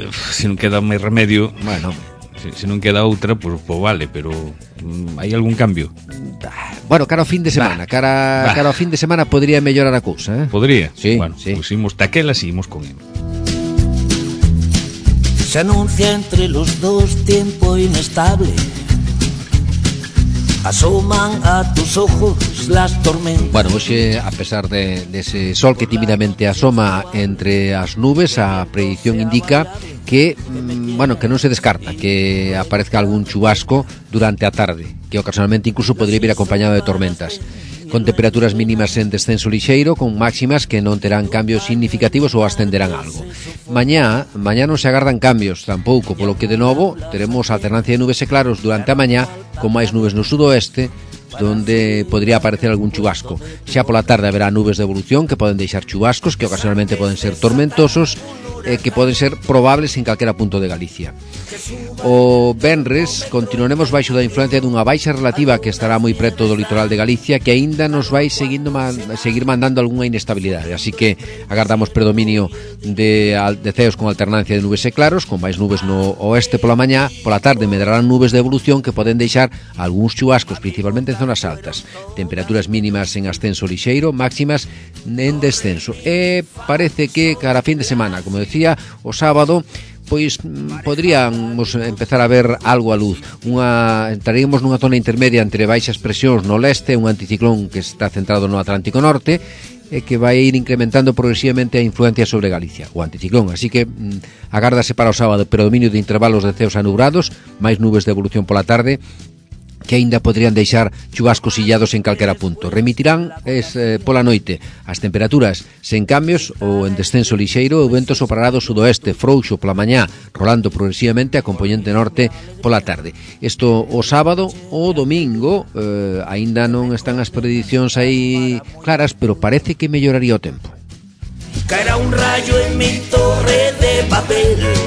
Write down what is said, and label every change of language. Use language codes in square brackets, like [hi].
[gl] Se non queda máis remedio... Bueno... Se non queda outra, pues vale, pero hai algún cambio? Bueno, cara ao fin de semana, cara ao fin de semana podría mellorar a cousa, ¿eh? Podría. Sí, bueno, sí. Pues imos taquela, seguimos con él. [es] Se anuncia entre los dos tiempo inestable. asoman a tus ojos las tormentas. Bueno, hoy, a pesar de ese sol que tímidamente asoma entre las nubes, a predicción indica que, bueno, que no se descarta que aparezca algún chubasco durante la tarde, que ocasionalmente incluso podría ir acompañado de tormentas, con temperaturas mínimas en descenso lixeiro, [gl] con máximas que non terán cambios significativos ou ascenderán algo. Mañá non se agardan cambios tampouco, polo que de novo teremos alternancia de nubes e claros durante a mañá, con máis nubes no sudoeste, donde podría aparecer algún chubasco. Xa pola tarde haberá nubes de evolución que poden deixar chubascos, que ocasionalmente poden ser tormentosos, que poden ser probables en calquera punto de Galicia. O venres continuaremos baixo da influencia dunha baixa relativa que estará moi preto do litoral de Galicia, que aínda nos vai seguir mandando algunha inestabilidade, así que agardamos predominio de ceos con alternancia de nubes e claros, con máis nubes no oeste pola mañá. Pola tarde medrarán nubes de evolución que poden deixar algúns chubascos, principalmente en zonas altas. Temperaturas mínimas en ascenso lixeiro, máximas en descenso. E parece que cara fin de semana, como decía, o sábado, pois podríamos empezar a ver algo a luz. Entraríamos nunha zona intermedia entre baixas presións no leste, un anticiclón que está centrado no Atlántico Norte e que vai ir incrementando progresivamente a influencia sobre Galicia, o anticiclón. Así que agárdase para o sábado predominio de intervalos de ceos anubrados, máis nubes de evolución pola tarde, que aínda podrían deixar chubascos illados en calquera punto. Remitirán pola noite. As temperaturas, sen cambios ou en descenso lixeiro, o vento soprará do sudoeste, frouxo pola mañá, rolando progresivamente a compoñente norte pola tarde. Isto o sábado, o domingo, aínda non están as predicións aí claras, pero parece que melloraría o tempo. [es] Caerá un rayo en mi torre de papel.